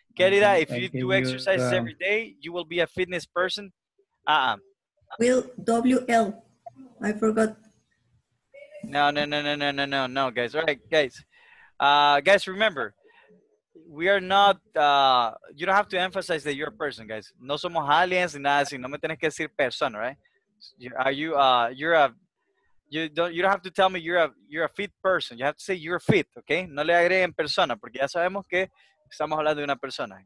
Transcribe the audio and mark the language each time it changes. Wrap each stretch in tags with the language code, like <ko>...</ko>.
<en>Kerida, if you do exercise every day, you will be a fitness person. WL. I forgot. No, guys. All right, guys. Guys, remember, we are not, you don't have to emphasize that you're a person, guys.</en> <es>No somos aliens ni nada así. No me tienes que decir persona, right?</es> <en>You don't have to tell me you're a fit person. You have to say you're fit, okay?</en> <es>No le agreguen persona, porque ya sabemos que estamos hablando de una persona.</es>